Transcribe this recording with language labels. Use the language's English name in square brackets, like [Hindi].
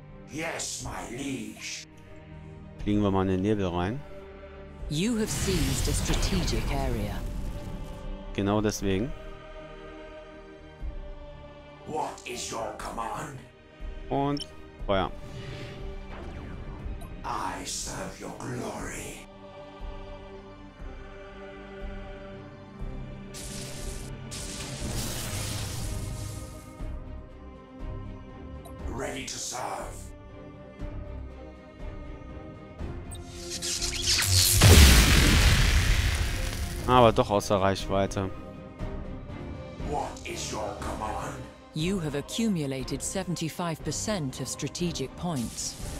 [English] Yes, my liege. [German] Fliegen wir mal in den Nebel rein. [English] You have seized a strategic area. [German] Genau deswegen. [English] What is your command? [German] Und Feuer. [English] I serve your glory. Ready to serve. [German] Aber doch außer Reichweite. [English] What is your command? You have accumulated 75% of strategic points.